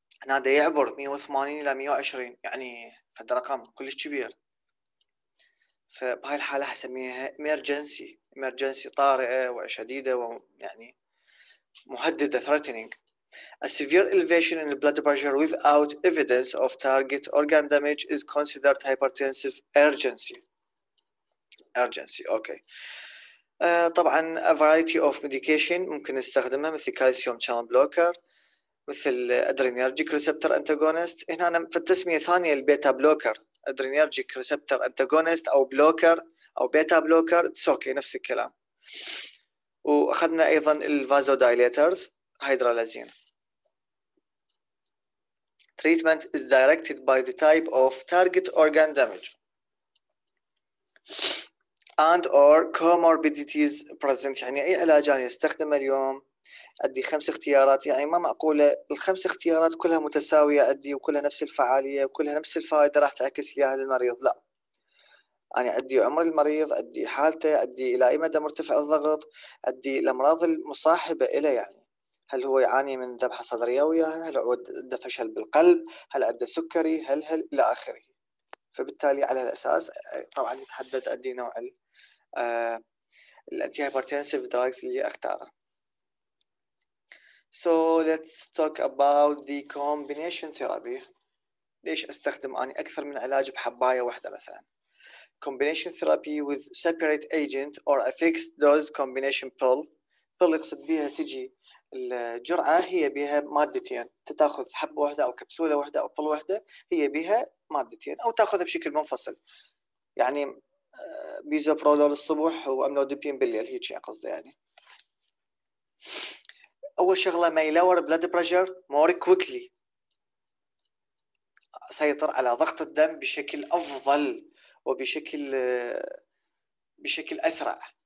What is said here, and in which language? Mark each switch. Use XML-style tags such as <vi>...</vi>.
<ar>هذا يعبر 180 الى 120، يعني هذا رقم كلش كبير. فبهاي الحالة حسميها emergency طارئة وشديدة ويعني مهددة threatening.</ar> <en>A severe elevation in the blood pressure without evidence of target organ damage is considered hypertensive urgency. Okay. طبعا a variety of medication</en> <ar>ممكن نستخدمها،</ar> <en>مثل calcium channel blocker، مثل adrenergic receptor antagonist.</en> <ar>هنا أنا في التسمية الثانية البيتا بلوكر، adrenergic receptor antagonist أو بلوكر أو بيتا بلوكر، okay، نفس الكلام. وأخذنا أيضا الفازودايليترز هيدرالازين.</ar> <en>Treatment is directed by the type of target organ damage and or comorbidities present.</en> <ar>يعني أي علاج أنا استخدم اليوم أدي خمس اختيارات، يعني ما معقولة الخمس اختيارات كلها متساوية أدي وكلها نفس الفعالية وكلها نفس الفائدة راح تعكس ليها للمريض، لا، أنا أدي عمر المريض، أدي حالته، أدي إلى أي مدى مرتفع الضغط، أدي الأمراض المصاحبة إليه، يعني هل هو يعاني من ذبحة صدرية وياها؟ هل عنده فشل بالقلب؟ هل عنده سكري؟ هل إلى آخره. فبالتالي على الأساس طبعا يتحدد أدي نوع الأنتي هايبرتنسيف دراجز اللي أختاره.</ar> <en>So let's talk about the combination therapy.</en> <ar>ليش أستخدم أني أكثر من علاج بحباية واحدة مثلا؟</ar> <en>Combination therapy with separate agent or a fixed dose combination pill.</en> <ar>pill يقصد بها تجي الجرعة هي بها مادتين، تاخذ حبة واحدة أو كبسولة واحدة أو بل واحدة هي بها مادتين، أو تاخذها بشكل منفصل، يعني بيزوبرولول الصبح وأملودبين بالليل، هيك قصدي. يعني أول شغلة ما</ar> <en>يلور blood pressure more quickly,</en> <ar>سيطر على ضغط الدم بشكل أفضل وبشكل أسرع.</ar>